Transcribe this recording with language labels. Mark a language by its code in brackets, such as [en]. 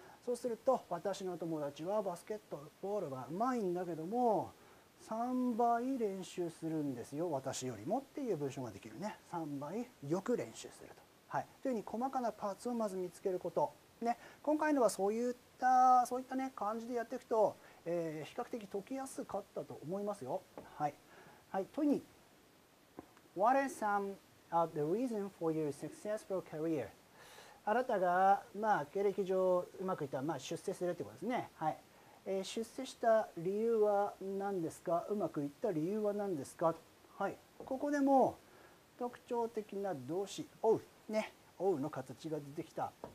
[ja] そうすると、私の友達はバスケットボールがうまいんだけども3倍練習するんですよ、私よりもっていう文章ができるね。 3倍よく練習すると、はい、というふうに細かなパーツをまず見つけること、ね、今回のはそういった、ね、感じでやっていくと、比較的解きやすかったと思いますよ。はい、はい、問いに、 [en] What is some of the reason for your successful career? [ja] あなたが、まあ、経歴上うまくいったら、まあ、出世するということですね。はい、出世した理由は何ですか、うまくいった理由は何ですか。はい、ここでも特徴的な動詞「追う」ね、「追う」の形が出てきた。